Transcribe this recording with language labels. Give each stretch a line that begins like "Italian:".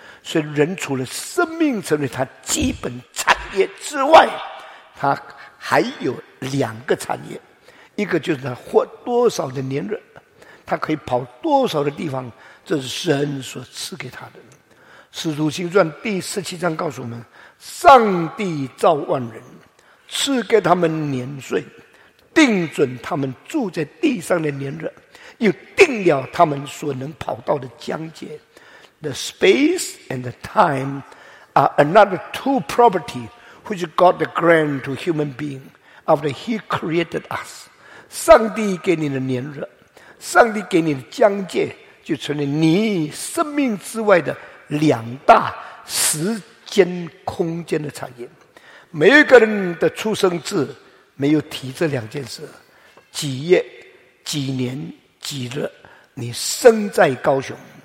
Chinese: 所以人除了生命成为他基本产业之外，他还有两个产业，一个就是他活多少的年日，他可以跑多少的地方，这是神所赐给他的。使徒行传第十七章告诉我们，上帝造万人，赐给他们年岁，定准他们住在地上的年日，又定了他们所能跑到的疆界。
English: The space and the time are another two property which God granted to human being after he created us.
Chinese: 上帝给你的年日，上帝给你的疆界，就成了你生命之外的两大时间空间的产业。每一个人的出生字没有提这两件事，几月几年几日你生在高雄。